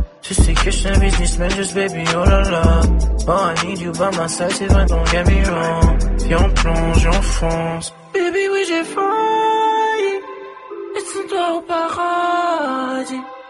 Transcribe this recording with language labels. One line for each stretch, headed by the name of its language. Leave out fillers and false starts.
French: Tu sais que je suis un business mais juste baby oh la la.
English: Oh I need you by my side,
French: c'est vrai,
English: don't get me wrong.
French: Puis on plonge, on fonce. Baby oui j'ai failli. Et sans toi au paradis.